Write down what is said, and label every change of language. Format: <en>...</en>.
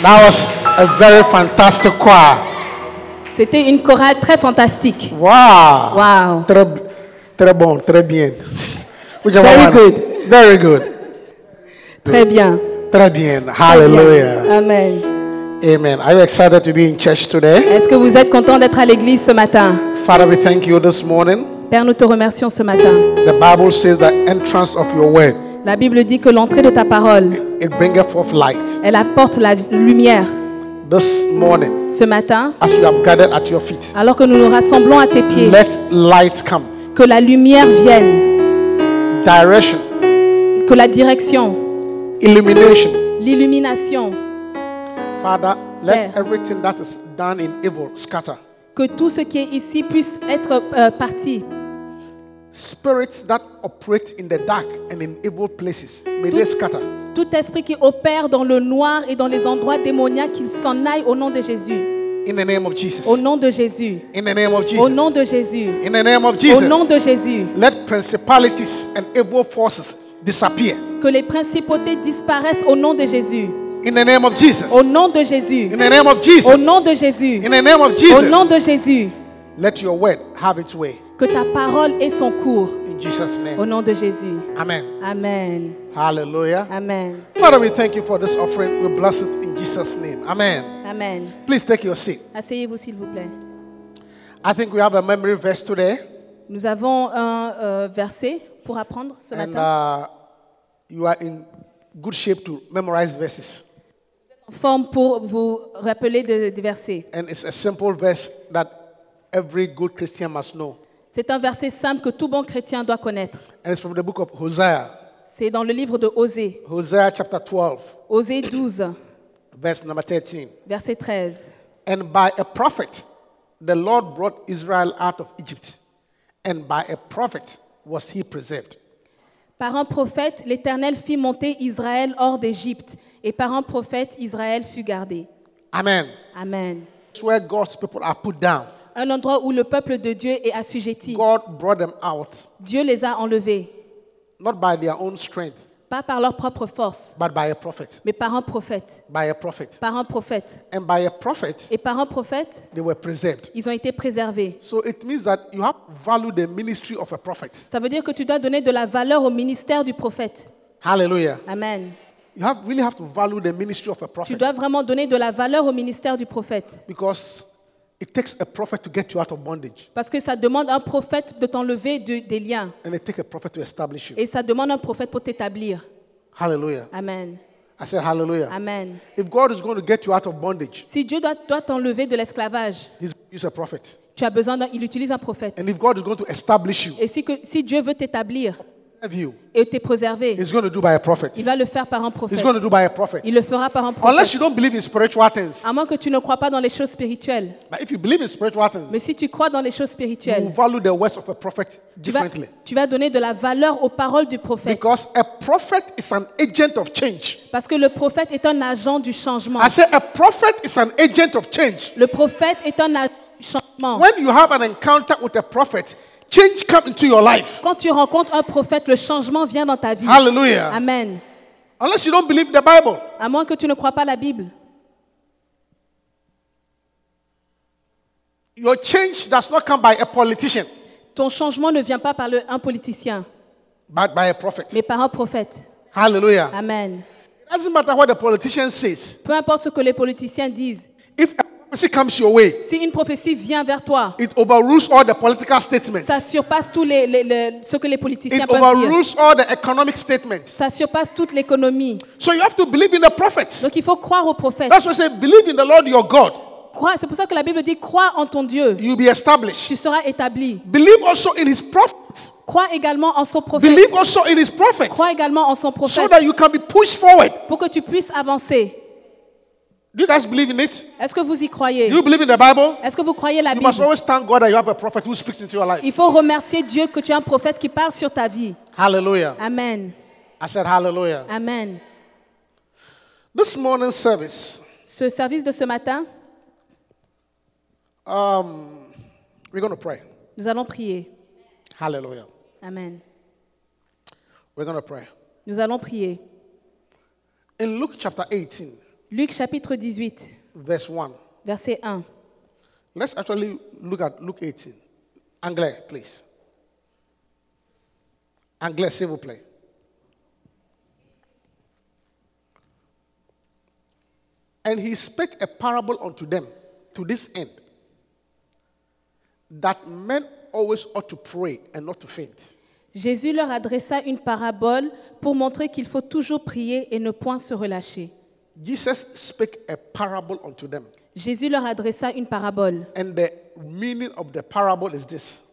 <en>That was a very fantastic choir.</en> <fr>C'était une chorale très fantastique. Wow. Wow. Très bon, très bien.</fr> <en>Very good. Very good.</en> <fr>Très bien. Très bien. Hallelujah. Amen. Amen.</fr> <en>Are you excited to be in church today?</en> <fr>Est-ce que vous êtes content d'être à l'église ce matin?</fr> <en>Father, we thank you this morning.</en> <fr>Père, nous te remercions ce matin.</fr> <en>The Bible says the entrance of your word.</en> <fr>La Bible dit que l'entrée de ta parole.</fr> <en>It bringeth forth light.</en> <fr>Elle apporte la lumière.</fr> <en>This morning.</en> <fr>Ce matin.</fr> <en>As we have gathered at your feet.</en> <fr>Alors que nous nous rassemblons à tes pieds.</fr> <en>Let light come.</en> <fr>Que la lumière vienne.</fr> <en>Direction.</en> <fr>Que la direction.</fr> <en>Illumination.</en> <fr>L'illumination.</fr> <en>Father, let Père, everything that is done in evil scatter.</en> <fr>Que tout ce qui est ici puisse être parti.</fr> <en>Spirits that operate in the dark and in evil places, may they scatter.</en> <fr>Tout esprit qui opère dans le noir et dans les endroits démoniaques, qu'il s'en aille au nom de Jésus.</fr> <en>In the name of Jesus.</en> <fr>Au nom de Jésus.</fr> <en>In the name of Jesus.</en> <fr>Au nom de Jésus.</fr> <en>In the name of Jesus.</en> <fr>Au nom de Jésus.</fr> <en>Let principalities and evil forces disappear.</en> <fr>Que les principautés disparaissent au nom de Jésus.</fr> <en>In the name of Jesus.</en> <fr>Au nom de Jésus.</fr> <en>In the name of Jesus.</en> <fr>Au nom de Jésus.</fr> <en>In the name of Jesus.</en> <fr>Au nom de Jésus.</fr> <en>Let your word have its way.</en> <fr>Que ta parole ait son cours.</fr> <en>In Jesus' name.</en> <fr>Au nom de Jésus. Amen. Amen. Hallelujah. Amen.</fr> <en>Father, we thank you for this offering. We bless it in Jesus' name. Amen. Amen. Please take your seat.</en> <fr>Asseyez-vous s'il vous plaît.</fr> <en>I think we have a memory verse today.</en> <fr>Nous avons un verset pour apprendre ce matin.</fr> <en>And you are in good shape to memorize verses.</en> <fr>Forme pour vous rappeler de versets.</fr> <en>And it's a simple verse that every good Christian must know.</en> <fr>C'est un verset simple que tout bon chrétien doit connaître.</fr> <en>And it's from the book of Hosea.</en> <fr>C'est dans le livre de Osée.</fr> <en>Hosea chapter 12.</en> <fr>Osée 12.</fr> <en>Verse number 13.</en> <fr>Verset 13.</fr> <en>And by a prophet, the Lord brought Israel out of Egypt. And by a prophet was he preserved.</en> <fr>Par un prophète, l'Éternel fit monter Israël hors d'Égypte, et par un prophète, Israël fut gardé. Amen. Amen.</fr> <en>It's where God's people are put down.</en> <fr>Un endroit où le peuple de Dieu est assujetti.</fr> <en>God brought them out.</en> <fr>Dieu les a enlevés.</fr> <en>Not by their own strength.</en> <fr>Pas par leur propre force.</fr> <en>But by a prophet.</en> <fr>Mais par un prophète.</fr> <en>By a prophet.</en> <fr>Par un prophète.</fr> <en>And by a prophet.</en> <fr>Et par un prophète.</fr> <en>They were preserved.</en> <fr>Ils ont été préservés.</fr> <en>So it means that you have valued the ministry of a prophet.</en> <fr>Ça veut dire que tu dois donner de la valeur au ministère du prophète. Hallelujah. Amen.</fr> <en>You have really have to value the ministry of a prophet.</en> <fr>Tu dois vraiment donner de la valeur au ministère du prophète.</fr> <en>Because it takes a prophet to get you out of bondage.</en> <fr>Parce que ça demande un prophète de t'enlever des liens.</fr> <en>And it takes a prophet to establish you.</en> <fr>Et ça demande un prophète pour t'établir. Hallelujah. Amen.</fr> <en>I said hallelujah. Amen. If God is going to get you out of bondage.</en> <fr>Si Dieu doit t'enlever de l'esclavage.</fr> <en>He's use a prophet.</en> <fr>Tu as besoin d'un, il utilise un prophète.</fr> <en>And if God is going to establish you.</en> <fr>Et si Dieu veut t'établir.</fr> <en>You,</en> <fr>et te préserver.</fr> <en>He's going to do by a prophet.</en> <fr>Il va le faire par un prophète.</fr> <en>He's going to do by a prophet.</en> <fr>Il le fera par un prophète.</fr> <en>Unless you don't believe in spiritual things.</en> <fr>À moins que tu ne crois pas dans les choses spirituelles.</fr> <en>But if you believe in spiritual things.</en> <fr>Mais si tu crois dans les choses spirituelles.</fr> <en>You value the words of a prophet differently.</en> <fr>Tu vas donner de la valeur aux paroles du prophète.</fr> <en>Because a prophet is an agent of change.</en> <fr>Parce que le prophète est un agent du changement.</fr> <en>I say a prophet is an agent of change.</en> <fr>Le prophète est un changement.</fr> <en>When you have an encounter with a prophet, change comes into your life.</en> <fr>Quand tu rencontres un prophète, le changement vient dans ta vie. Hallelujah. Amen.</fr> <en>Unless you don't believe the Bible.</en> <fr>À moins que tu ne crois pas la Bible.</fr> <en>Your change does not come by a politician.</en> <fr>Ton changement ne vient pas par un politicien.</fr> <en>But by a prophet.</en> <fr>Mais par un prophète. Hallelujah. Amen.</fr> <en>It doesn't matter what the politician says.</en> <fr>Peu importe ce que les politiciens disent.</fr> <en>If prophecy comes your way,</en> <fr>si une prophétie vient vers toi,</fr> <en>it overrules all the political statements.</en> <fr>Ça surpasse tout ce que les politiciens</fr> <en>it</en> <fr>peuvent dire.</fr> <en>It overrules all the economic statements.</en> <fr>Ça surpasse toute l'économie.</fr> <en>So you have to believe in the prophets.</en> <fr>Donc il faut croire aux prophètes.</fr> <en>That's why I say believe in the Lord your God.</en> <fr>C'est pour ça que la Bible dit crois en ton Dieu.</fr> <en>You'll be established.</en> <fr>Tu seras établi.</fr> <en>Believe also in his prophets.</en> <fr>Crois également en son prophète.</fr> <en>Believe also in his prophets.</en> <fr>Crois également en son prophète.</fr> <en>So that you can be pushed forward.</en> <fr>Pour que tu puisses avancer.</fr> <en>Do you guys believe in it?</en> <fr>Est-ce que vous y croyez?</fr> <en>Do you believe in the Bible?</en> <fr>Est-ce que vous croyez la</fr> <en>you</en> <fr>Bible?</fr> <en>You must always thank God that you have a prophet who speaks into your life.</en> <fr>Il faut remercier Dieu que tu as un prophète qui parle sur ta vie. Hallelujah. Amen.</fr> <en>I said hallelujah. Amen. This morning service.</en> <fr>Ce service de ce matin.</fr> <en>We're going to pray.</en> <fr>Nous allons prier. Hallelujah. Amen.</fr> <en>We're going to pray.</en> <fr>Nous allons prier.</fr> <en>In Luke chapter 18.</en> <fr>Luc chapitre 18.</fr> <en>Verse 1.</en> <fr>Verset 1.</fr> <en>Let's actually look at Luke 18. Anglais, please.</en> <fr>Anglais, s'il vous plaît.</fr> <en>And he spake a parable unto them to this end, that men always ought to pray and not to faint.</en> <fr>Jésus leur adressa une parabole pour montrer qu'il faut toujours prier et ne point se relâcher.</fr> <en>Jesus spake a parable unto them.</en> <fr>Jésus leur adressa une parabole.</fr> <en>And the meaning of the parable is this.</en>